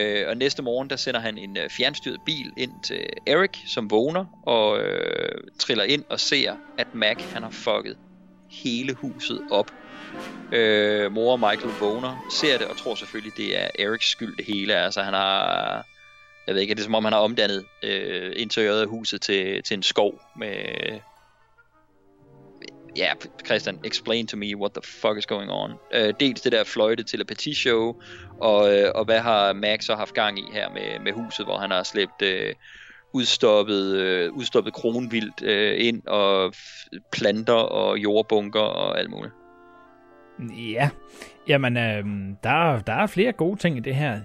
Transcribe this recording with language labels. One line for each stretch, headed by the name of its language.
Danish: Og næste morgen, der sender han en fjernstyret bil ind til Eric, som vågner, og triller ind og ser, at Mac, han har fucket hele huset op. Mor og Michael vågner, ser det og tror selvfølgelig, det er Erics skyld det hele. Altså, han har... Jeg ved ikke, er det som om, han har omdannet interiøret af huset til en skov med... Ja,
English: Christian, explain to me what the fuck is going on.
Danish: Dels det der fløjte til telepati-show, og hvad har Max så haft gang i her med huset, hvor han har slæbt udstoppet kronvildt ind, og planter og jordbunker og alt muligt. Ja, jamen, der er flere gode ting i det her.